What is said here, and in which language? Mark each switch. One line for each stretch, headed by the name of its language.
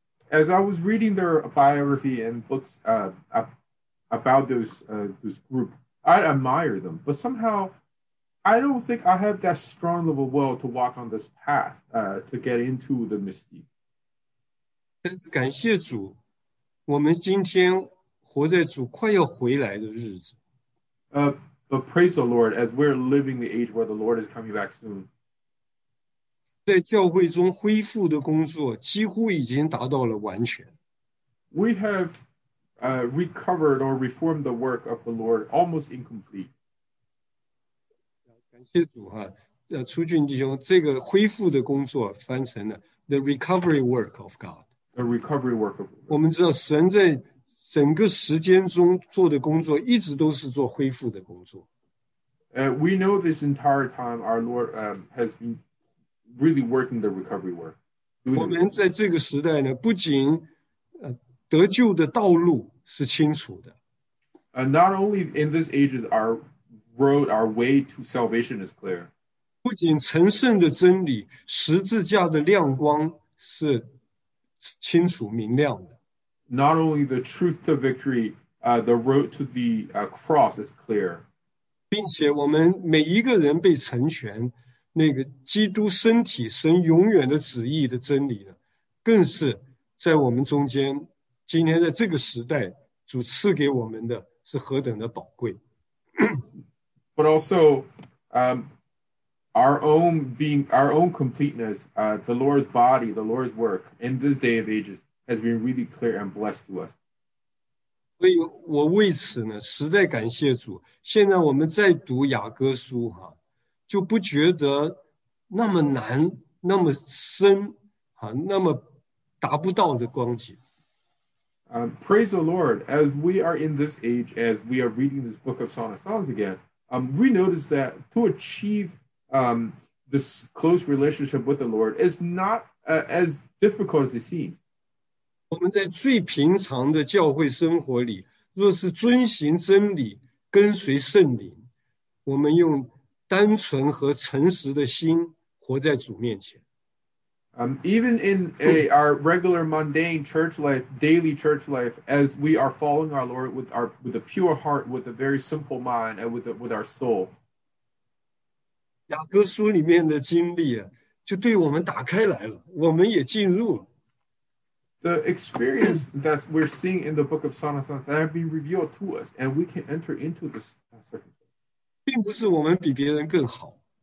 English: As I was reading their biography and books about this group, I admire them, but somehow I don't think I have that strong of a will to walk on this path to get into the mystique.
Chinese: 但是感谢主，我们今天活在主快要回来的日子。
English: But praise the Lord, as we're living the age where the Lord is coming back soon.
Chinese: 在教会中恢复的工作几乎已经达到了完全。
English: We have recovered or reformed the work of the Lord almost incomplete.
Chinese: 感谢主哈，初俊弟兄，这个恢复的工作翻成了
English: the recovery work of God. The recovery work of God.
Chinese: 我们知道神在整个时间中做的工作一直都是做恢复的工作。
English: We know this entire time our Lord has beenReally working the recovery work.
Chinese: 我们在这个时代呢，不仅得救的道路是清楚的。
English: Not only in this age is our road, our way to salvation is clear.
Chinese: 不仅成圣的真理，十字架的亮光是清楚明亮的。
English: Not only the truth to victory, the road to the cross is clear.
Chinese: 并且我们每一个人被成全。那个基督身体神永远的旨意的真理呢，更是在我们中间今天在这个时代主赐给我们的是何等的宝贵。
English: But also, our own completeness, the Lord's body, the Lord's work in this day of ages has been really clear and blessed to us.
Chinese: 所以我为此呢实在感谢主，现在我们在读雅各书哈，就不觉得那么难，那么深，啊，那么达不到的光景。
English: Praise the Lord, as we are in this age, as we are reading this book of Song of Songs again, we notice that to achieve this close relationship with the Lord is not as difficult as it seems.
Chinese: 我们在最平常的教会生活里，若是遵行真理，跟随圣灵，我们用单纯和诚实的心活在主面前。
English: Even in our regular mundane church life, daily church life, as we are following our Lord with a pure heart, with a very simple mind, and with our soul.
Chinese: 雅各书里面的经历啊，就对我们打开来了，我们也进入了。
English: The experience that we're seeing in the book of Song of Songs that have been revealed to us, and we can enter into this circumstance.
Chinese: 并不是我们比别人更好。